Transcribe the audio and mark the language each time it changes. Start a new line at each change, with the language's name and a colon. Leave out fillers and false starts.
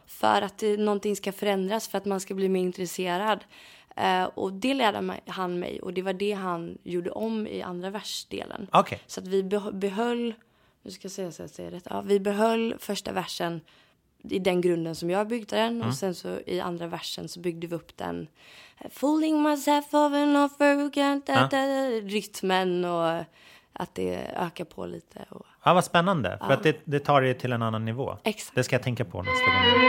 Swedish: För att någonting ska förändras, för att man ska bli mer intresserad. Och det lärde han mig, och det var det han gjorde om i andra versdelen.
English: Okay.
Swedish: Så att vi behöll, nu ska jag säga så att jag säger rätt. Ja, vi behöll första versen i den grunden som jag byggde den. Och sen så i andra versen så byggde vi upp den.
English: Fooling myself over and over again.
Swedish: Da, da, da, rytmen och att det ökar på lite. Och... Ja, vad spännande. Ja. För att det tar det till en annan nivå. Exakt. Det ska jag tänka på nästa gång.